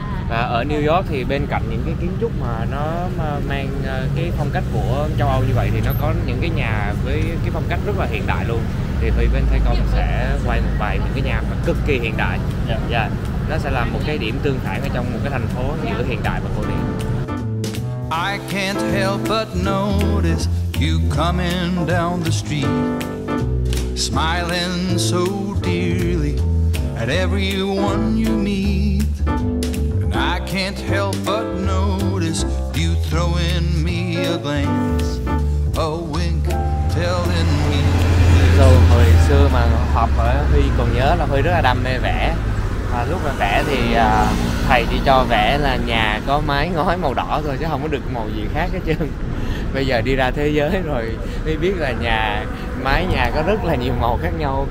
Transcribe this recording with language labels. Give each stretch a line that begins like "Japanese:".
Vietnamese: Và ở New York thì bên cạnh những cái kiến trúc mà nó mang cái phong cách của châu Âu như vậy, thì nó có những cái nhà với cái phong cách rất là hiện đại luôn. Thì Huy bên Thay Công sẽ quay một vài những cái nhà mà cực kỳ hiện đại. Nó sẽ là một cái điểm tương phản ở trong một cái thành phố giữa hiện đại và cổ điển.
English: I can't help but notice you coming down the street, smiling so dearly at everyone you meet. And I can't help but notice you throwing me a glance, a wink telling me.
Vietnamese: So, hồi xưa mà học ở Huy còn nhớ là Huy rất là đam mê vẽ. À, lúc mà vẽ thì thầy chỉ cho vẽ là nhà có mái ngói màu đỏ thôi, chứ không có được màu gì khác hết trơn. Bây giờ đi ra thế giới rồi mới biết là nhà, mái nhà có rất là nhiều màu khác nhau.